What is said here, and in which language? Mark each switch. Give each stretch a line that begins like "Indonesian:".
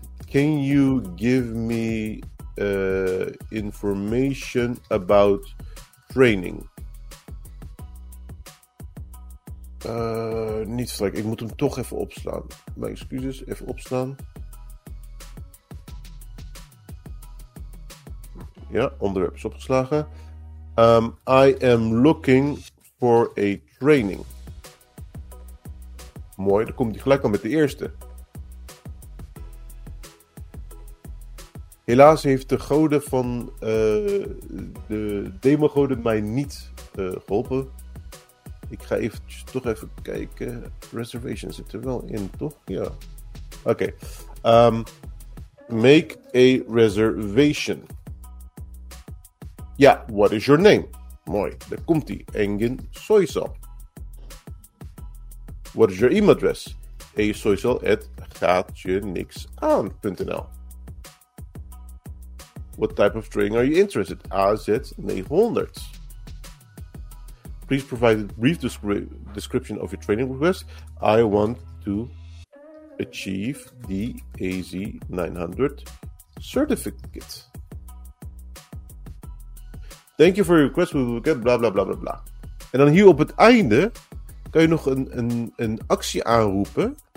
English: Can you give me information about training?
Dutch: Niet slecht. Ik moet hem toch even opslaan. Mijn excuses. Even opslaan. Ja, onderwerp is opgeslagen.
English: I am looking for a training.
Dutch: Mooi, dan komt hij gelijk al met de eerste. Helaas heeft de goden van de demogoden mij niet geholpen. Ik ga eventjes toch even kijken. Reservation zit er wel in, toch? Ja. Oké.
English: Make a reservation. Ja, what is your name?
Dutch: Mooi, daar komt ie. Engin Soysal.
English: What is your email address? asoysal@gaatjeniksaan.nl. What type of training are you interested? AZ900. Please provide a brief description of your training request. I want to achieve the AZ900 certificate. Thank you for your request. We will get blah, blah, blah, blah, blah.
Dutch: En dan hier op het einde kan je nog een actie aanroepen.